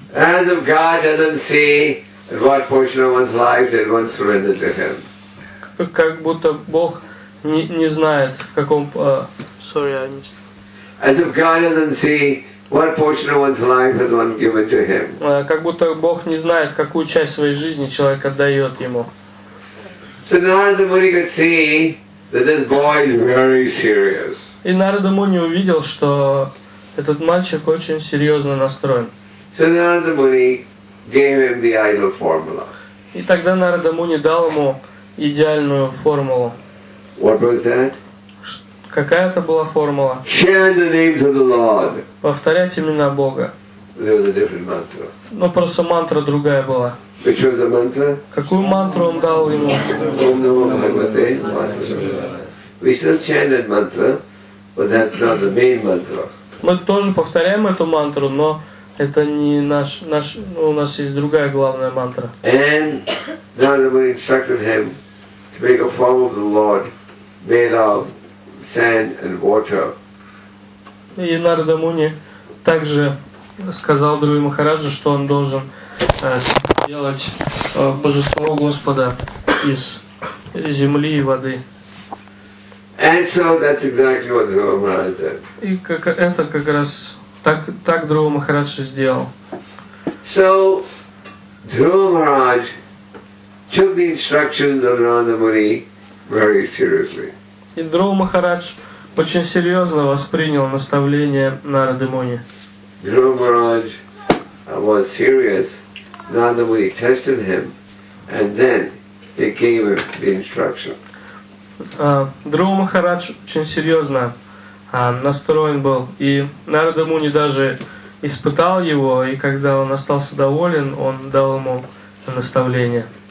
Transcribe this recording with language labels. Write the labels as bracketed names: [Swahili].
[English] As if God doesn't see what portion of one's life did one surrender to Him. [Russian] Как будто Бог не знает в каком. [English] Sorry, I missed. As if God doesn't see what portion of one's life has one given to Him. [Russian] Как будто Бог не знает, какую часть своей жизни человек отдает ему. [English] So Narada Muni could see that this boy is very serious. [Russian] И Нарада Муни увидел, что этот мальчик очень серьезно настроен. [English] So Narada Muni gave him the idol formula. [Russian] И тогда Нарада Муни дал ему идеальную формулу. [English] What was that? [Russian] Какая это была формула? [English] Chant the names of the Lord. [Russian] Повторять имена Бога. [English] There was a different mantra. [Russian] Но просто мантра другая была. [English] Which was the mantra? [Russian] Какую мантру он дал ему? [Sanskrit] Om Namo Bhagavate Vasudevaya. [English] We still chant that mantra, but that's not the main mantra. [Russian] Мы тоже повторяем эту мантру, но это не наш, ну, у нас есть другая главная мантра. [English] And Narada Muni instructed him to make a form of the Lord made of sand and water. [Russian] И Нарада Муни также сказал Друви Махараджу, что он должен делать божество Господа из земли и воды. [English] And so that's exactly what Друви Махараджа did. [Russian] И как это как раз Так Друва Махарадж сделал. [English] So, Друва Махарадж took the instructions of Narada Muni very seriously. [Russian] И Друва Махарадж очень серьезно воспринял наставление Нарады Муни. [English] Друва Махарадж was serious. Narada Muni tested him, and then he gave him the instruction. [Russian] Друва Махарадж очень серьезно настроен был, и Нарада Муни даже испытал его, и когда он остался доволен, он дал ему наставление.